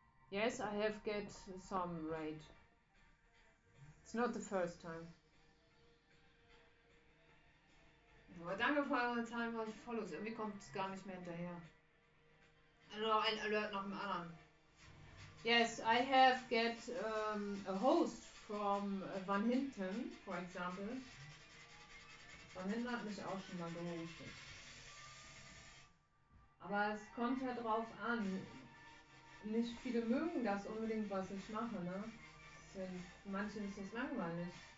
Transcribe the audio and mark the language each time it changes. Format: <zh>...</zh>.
<en>Yes, I have get some raid. It's not the first time.</en> <de>Aber danke für eure Zahlen, für eure Follows. Irgendwie kommt es gar nicht mehr hinterher. Also ein Alert nach dem anderen.</de> <en>Yes, I have get a host from Van Hinten, for example.</en> <de>Van Hinten hat mich auch schon mal gehostet. Aber es kommt halt drauf an. Nicht viele mögen das unbedingt, was ich mache, ne? Manchen ist das langweilig.</de>